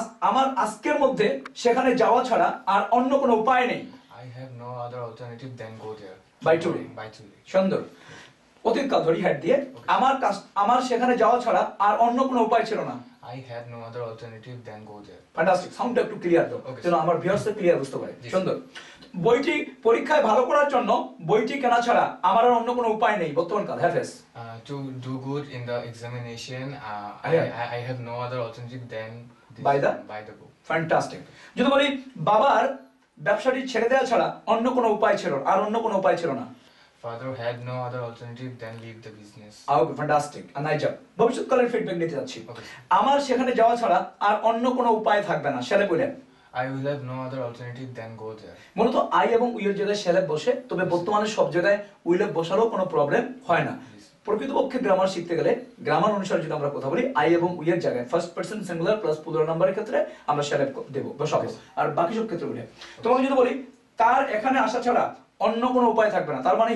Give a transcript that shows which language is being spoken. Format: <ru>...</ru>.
<bn>আমার আজকের মধ্যে সেখানে যাওয়া ছাড়া আর অন্য কোনো উপায় নেই।</bn> <en>I have no other alternative than go there. By today.</en> <bn>সুন্দর। অতীতকাল ধরি হ্যাট দিয়ে, আমার সেখানে যাওয়া ছাড়া আর অন্য কোনো উপায় ছিল না।</bn> <en>I had no other alternative than go there. Fantastic.</en> <bn>Sound একটু ক্লিয়ার দাও যেন আমার ভিউয়ার্স ক্লিয়ার বুঝতে পারে। সুন্দর। বইটি পরীক্ষায় ভালো করার জন্য বইটি কেনা ছাড়া আমার আর অন্য কোনো উপায় নেই বর্তমান কাল। Haves</bn> <en>to do good in the examination. I have no other alternative than this, by the book. Fantastic.</en> <bn>যদি বলি বাবার ব্যবসাটি ছেড়ে দেওয়া ছাড়া অন্য কোনো উপায় ছিল আর অন্য কোনো উপায় ছিল না।</bn> <en>Father had no other alternative than leave the business. Okay, fantastic. And I jump.</en> <bn>ভবিষ্যৎ কালের ফিডব্যাক নিতে যাচ্ছি। আমার সেখানে যাওয়া ছাড়া আর অন্য কোনো উপায় থাকবে না। শ্যালে বলে</bn> <en>I will have no other alternative than go there.</en> <bn>মূলত I এবং উইল জায়গায় শ্যালে বসে, তবে বর্তমানে সব জায়গায় উইলে বসারও কোনো প্রবলেম হয় না। প্রকৃতপক্ষে গ্রামার শিখতে গেলে গ্রামার অনুসারে যদি আমরা কথা বলি আই এবং উই এর জায়গায় first person singular plus plural নাম্বারের ক্ষেত্রে আমরা শ্যালে দেব বা সব আর বাকি সব ক্ষেত্রে বলি। তোমাকে যদি বলি তার এখানে আসা ছাড়া অন্য কোন উপায় থাকবে না, তার মানে</bn>